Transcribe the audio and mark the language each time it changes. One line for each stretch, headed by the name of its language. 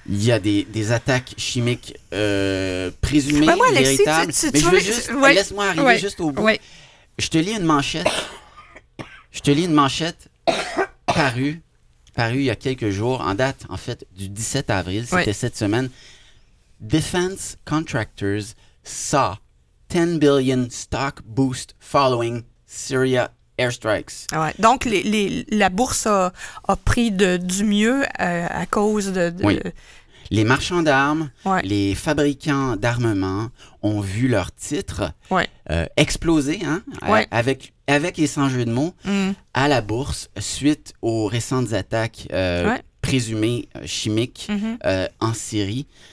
French: Il y a des attaques chimiques présumées, ben moi, Alexis, véritables. Laisse-moi arriver juste au bout. Ouais. Je te lis une manchette parue il y a quelques jours, en date, en fait, du 17 avril. C'était cette semaine.
English: Defense contractors saw 10 billion stock boost following Syria airstrikes.
French: Ouais. Donc, la bourse a pris du mieux à cause de... Oui. Les marchands d'armes, les fabricants d'armement ont vu leur titre exploser, hein, avec et sans jeu de mots, à la bourse suite aux récentes attaques présumées chimiques en Syrie.